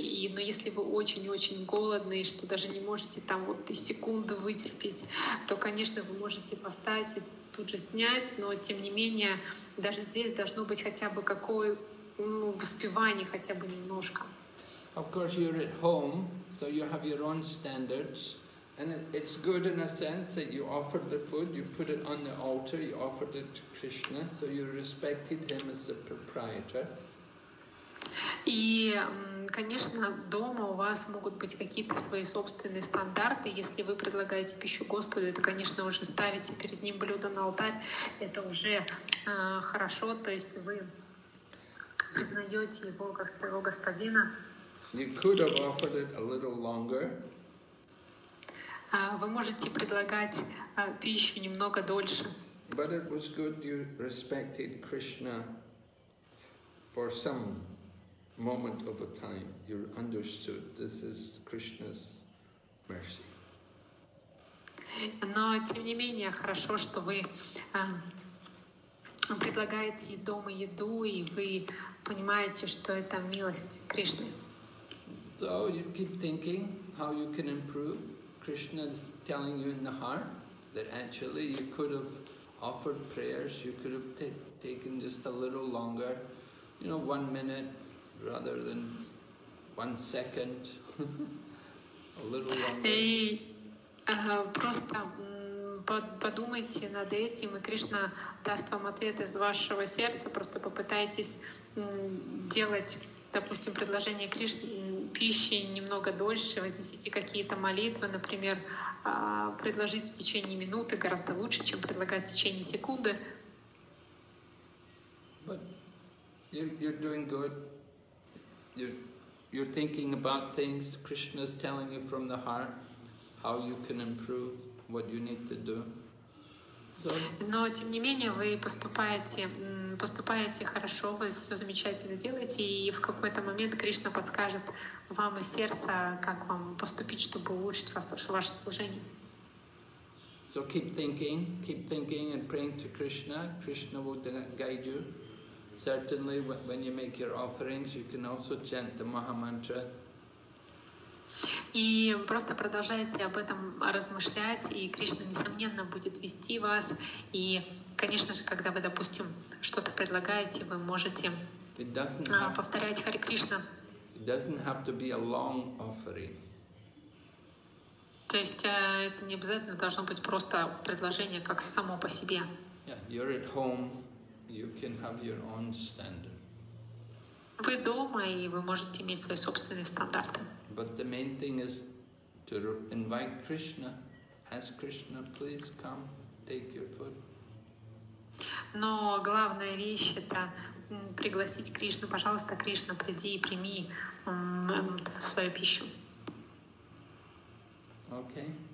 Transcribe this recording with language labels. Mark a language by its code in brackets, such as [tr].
[ru] И, но если вы очень-очень голодны, что даже не можете там вот и секунду вытерпеть, то, конечно, вы можете поставить и тут же снять, но тем не менее, даже здесь должно быть хотя бы какое, ну, воспевание хотя бы немножко. [en] Of course, you're at home, so you have your own standards. And it's good in a sense that you offered the food, you put it on the altar, you offered it to Krishna, so you respected him as the proprietor. [ru] И, конечно, дома у вас могут быть какие-то свои собственные стандарты. Если вы предлагаете пищу Господу, это, конечно, уже ставите перед ним блюдо на алтарь. Это уже хорошо, то есть вы признаете его как своего господина. [en] You could have offered it a little longer. [ru] Вы можете предлагать пищу немного дольше. [en] But it was good you respected Krishna for some moment of a time. You understood this is Krishna's mercy. [ru] Но тем не менее хорошо, что вы предлагаете дома еду, и вы понимаете, что это милость Кришны. [en] So you keep thinking how you can improve. Krishna is telling you in the heart, that actually you could have offered prayers, you could have taken just a little longer, you know, 1 minute rather than 1 second, a little longer. [ru] И просто подумайте над этим, и Кришна даст вам ответ из вашего сердца, просто попытайтесь делать, допустим, предложение Кришне пищи немного дольше, вознесите какие-то молитвы, например, предложить в течение минуты гораздо лучше, чем предлагать в течение секунды. [en] But you're doing good. You're thinking about things. Krishna's telling you from the heart how you can improve what you need to do. [ru] Но тем не менее вы поступаете хорошо, вы все замечательно делаете, и в какой-то момент Кришна подскажет вам из сердца, как вам поступить, чтобы улучшить ваше служение. [en] So keep thinking and praying to Krishna. Krishna will guide you. Certainly, when you make your offerings, you can also chant the Maha Mantra. [ru] И просто продолжайте об этом размышлять, и Кришна, несомненно, будет вести вас. И, конечно же, когда вы, допустим, что-то предлагаете, вы можете повторять Харе Кришна. [en] It doesn't have to be a long offering. [ru] То есть это не обязательно должно быть просто предложение, как само по себе. [en] Yeah, you're at home, you can have your own standard. [ru] Вы дома, и вы можете иметь свои собственные стандарты. [en] But the main thing is to invite Krishna. Ask Krishna, please come, take your food. [ru] Но главная вещь — это пригласить Кришну. Пожалуйста, Кришна, приди и прими свою пищу. [en] Okay.